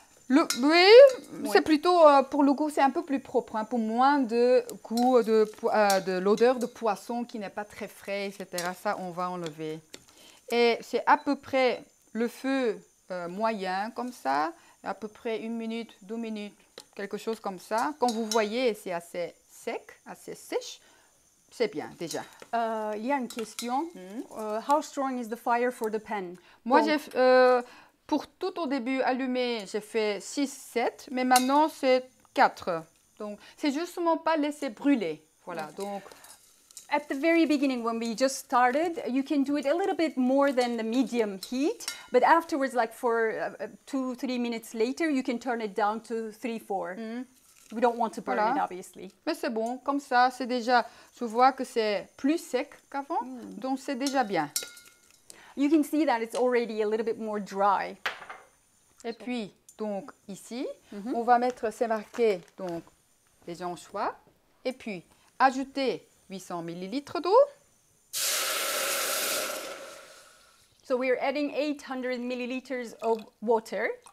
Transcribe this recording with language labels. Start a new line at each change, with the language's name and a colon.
French: Oui, c'est plutôt pour le goût, c'est un peu plus propre, hein, pour moins de goût de l'odeur de poisson qui n'est pas très frais, etc. Ça, on va enlever. Et c'est à peu près le feu moyen comme ça, à peu près une minute, deux minutes. Quelque chose comme ça. Quand vous voyez, c'est assez sec, assez sèche. C'est bien, déjà. Il y a une question.
English: How strong is the fire for the pan?
French: Moi, j'ai, pour tout au début allumé, j'ai fait 6-7. Mais maintenant, c'est 4. Donc, c'est justement pas laisser brûler. Voilà, donc...
English: At the very beginning, when we just started, you can do it a little bit more than the medium heat. But afterwards, like for 2-3 minutes later, you can turn it down to 3-4. We don't want to burn it, obviously.
French: Mais c'est bon, comme ça, c'est déjà, je vois que c'est plus sec qu'avant, donc c'est déjà bien.
English: You can see that it's already a little bit more dry.
French: Et puis, donc ici, on va mettre, c'est marqué, donc, les anchois, et puis, ajouter... 800 millilitres d'eau.
English: So we are adding 800 milliliters of water.